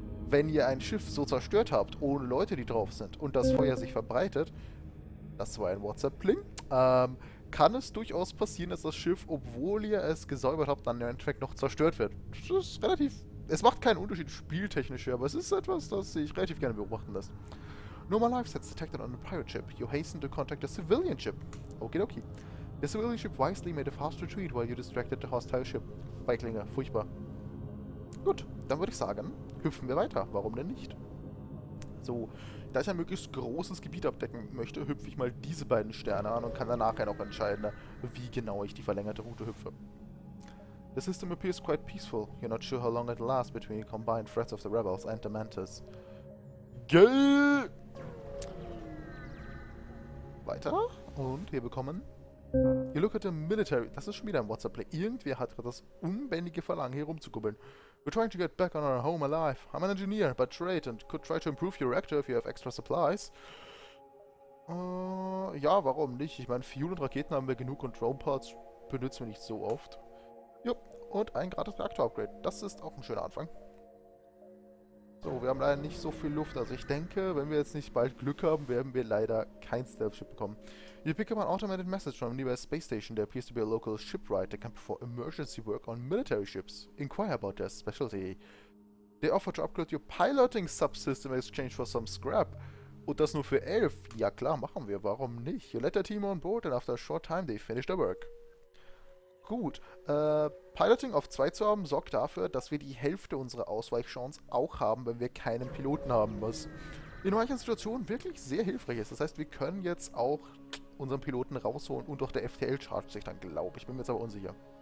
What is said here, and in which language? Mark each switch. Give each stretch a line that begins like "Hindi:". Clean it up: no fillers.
German: Wenn ihr ein Schiff so zerstört habt, ohne Leute, die drauf sind, und das Feuer sich verbreitet, das war ein WhatsApp-Pling, kann es durchaus passieren, dass das Schiff, obwohl ihr es gesäubert habt, dann im Endeffekt noch zerstört wird. Das ist relativ... Es macht keinen Unterschied spieltechnisch, aber es ist etwas, das sich relativ gerne beobachten lässt.
English: Normal life sets detected on a pirate ship. You hasten to contact a civilian ship. Okidoki. The civilian ship wisely made a fast retreat while you distracted the hostile ship.
German: Weiklinger, furchtbar. Gut, dann würde ich sagen, hüpfen wir weiter. Warum denn nicht? So, da ich ein möglichst großes Gebiet abdecken möchte, hüpfe ich mal diese beiden Sterne an und kann danach ja noch entscheiden, wie genau ich die verlängerte Route hüpfe.
English: The system appears quite peaceful. You're not sure how long it'll last between the combined threats of the rebels and the Mantis.
German: Gell! Weiter. Und wir bekommen...
English: You look at the military...
German: Das ist schon wieder ein WhatsApp-Play. Irgendwer hat gerade das unbändige Verlangen, hier rumzukubbeln.
English: We're trying to get back on our home alive. I'm an engineer, by trade, and could try to improve your reactor if you have extra supplies.
German: Ja, warum nicht? Ich meine, Fuel und Raketen haben wir genug und Drone Parts benutzen wir nicht so oft. Jo, und ein gratis Reaktor-Upgrade. Das ist auch ein schöner Anfang. So, wir haben leider nicht so viel Luft. Also ich denke, wenn wir jetzt nicht bald Glück haben, werden wir leider kein Stealth-Ship bekommen.
English: You pick up an automated message from a nearby space station. There appears to be a local shipwright that can perform emergency work on military ships. Inquire about their specialty. They offer to upgrade your piloting subsystem in exchange for some scrap.
German: Und das nur für 11? Ja klar, machen wir. Warum nicht?
English: You let the team on board and after a short time they finish the work.
German: Gut, Piloting auf 2 zu haben, sorgt dafür, dass wir die Hälfte unserer Ausweichchance auch haben, wenn wir keinen Piloten haben, was in manchen Situationen wirklich sehr hilfreich ist. Das heißt, wir können jetzt auch unseren Piloten rausholen und auch der FTL chargt sich dann, glaube ich. Bin mir jetzt aber unsicher.